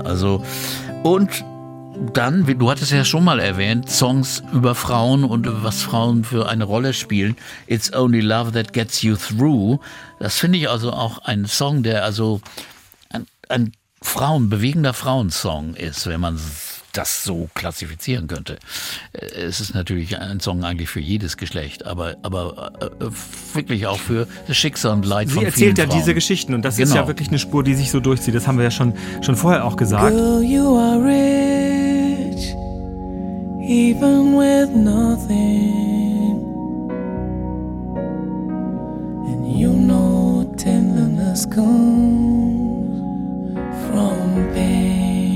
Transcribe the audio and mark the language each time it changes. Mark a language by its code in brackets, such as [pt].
[de] Also, und dann, du hattest ja schon mal erwähnt, Songs über Frauen und was Frauen für eine Rolle spielen. [en] It's Only Love That Gets You Through. [de] Das finde ich also auch ein Song, der also ein Frauen, bewegender Frauensong ist, wenn man das so klassifizieren könnte. Es ist natürlich ein Song eigentlich für jedes Geschlecht, aber wirklich auch für das Schicksal und Leid von vielen Frauen. Sie erzählt ja diese Geschichten und das ist ja wirklich eine Spur, die sich so durchzieht. Das haben wir ja schon vorher auch gesagt. [en] Girl, you are rich, even with nothing. And you know tenderness comes from pain.